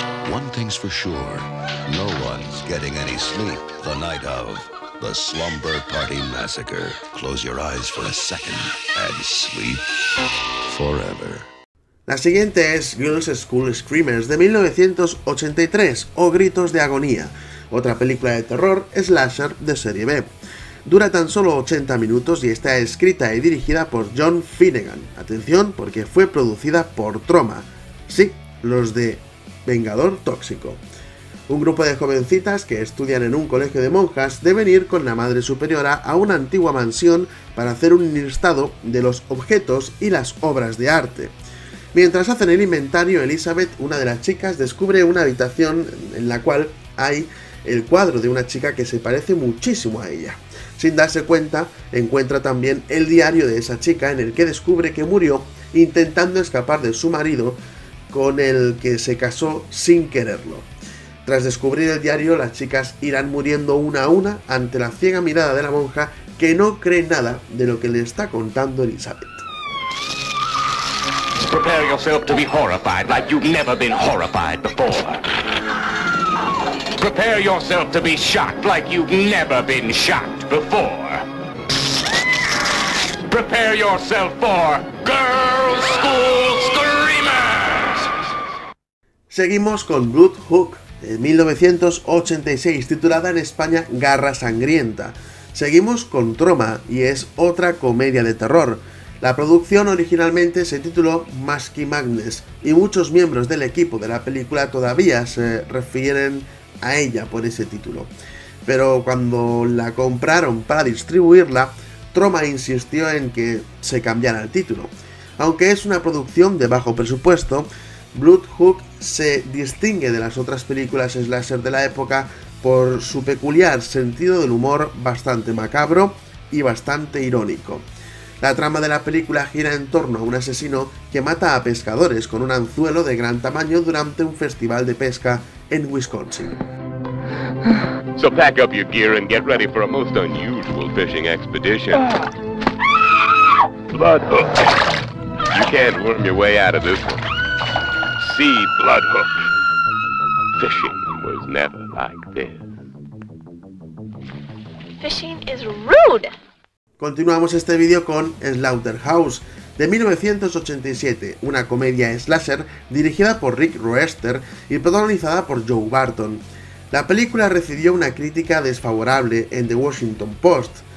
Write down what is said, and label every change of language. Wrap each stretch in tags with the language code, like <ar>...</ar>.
<en>One thing's for sure, no one's getting any sleep the night of The Slumber Party Massacre. Close your eyes for a second and sleep forever.</en> <es>La siguiente es Girls' School Screamers, de 1983, o Gritos de Agonía, otra película de terror slasher de serie B. Dura tan solo 80 minutos y está escrita y dirigida por John Finnegan. Atención, porque fue producida por Troma. Sí, los de Vengador Tóxico. Un grupo de jovencitas que estudian en un colegio de monjas deben ir con la madre superiora a una antigua mansión para hacer un listado de los objetos y las obras de arte. Mientras hacen el inventario, Elizabeth, una de las chicas, descubre una habitación en la cual hay el cuadro de una chica que se parece muchísimo a ella. Sin darse cuenta, encuentra también el diario de esa chica en el que descubre que murió intentando escapar de su marido con el que se casó sin quererlo. Tras descubrir el diario, las chicas irán muriendo una a una ante la ciega mirada de la monja que no cree nada de lo que le está contando Elizabeth.</es> <en>Prepare yourself to be horrified like you've never been horrified before. Prepare yourself to be shocked like you've never been shocked before. Prepare yourself for Girls' School Screamers.</en> <es>Seguimos con Blood Hook. En 1986, titulada en España Garra Sangrienta. Seguimos con Troma y es otra comedia de terror. La producción originalmente se tituló Masky Magnes y muchos miembros del equipo de la película todavía se refieren a ella por ese título. Pero cuando la compraron para distribuirla, Troma insistió en que se cambiara el título. Aunque es una producción de bajo presupuesto, Blood Hook se distingue de las otras películas slasher de la época por su peculiar sentido del humor bastante macabro y bastante irónico. La trama de la película gira en torno a un asesino que mata a pescadores con un anzuelo de gran tamaño durante un festival de pesca en Wisconsin.</es> <en>So pack up your gear and get ready for a most unusual fishing expedition. Bloodhook. You can't worm your way out of this one. Sea Bloodhook. Fishing was never like this. Fishing is rude.</en> <es>Continuamos este vídeo con Slaughterhouse, de 1987, una comedia slasher dirigida por Rick Royster y protagonizada por Joe Barton. La película recibió una crítica desfavorable en The Washington Post.</es>